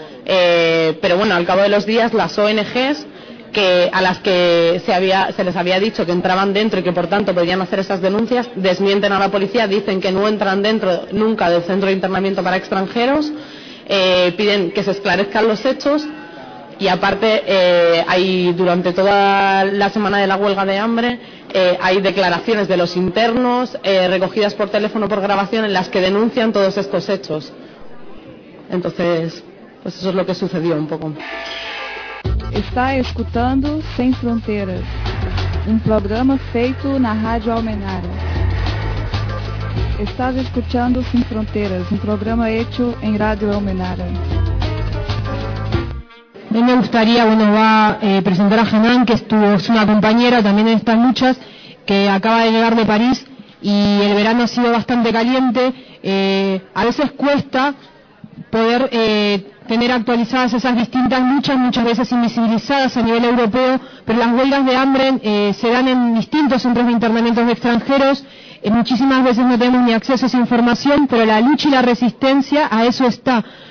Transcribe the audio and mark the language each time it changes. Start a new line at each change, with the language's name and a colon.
Spanish: Pero bueno, al cabo de los días las ONGs que a las que se les había dicho que entraban dentro y que por tanto podían hacer esas denuncias, desmienten a la policía, dicen que no entran dentro nunca del centro de internamiento para extranjeros, piden que se esclarezcan los hechos y aparte hay durante toda la semana de la huelga de hambre hay declaraciones de los internos recogidas por teléfono, por grabación, en las que denuncian todos estos hechos. Entonces, pues eso es lo que sucedió un poco.
Portuguese: Está escutando Sem Fronteiras, um programa feito na Rádio Almenara. Está escutando Sem Fronteiras, um programa feito em Rádio Almenara.
Spanish: Bem, me gustaría, bueno, va a presentar a Genán, que es una compañera, también están muchas, que acaba de llegar de París y el verano ha sido bastante caliente. A veces cuesta poder tener actualizadas esas distintas luchas, muchas veces invisibilizadas a nivel europeo, pero las huelgas de hambre se dan en distintos centros de internamiento de extranjeros, muchísimas veces no tenemos ni acceso a esa información, pero la lucha y la resistencia a eso está.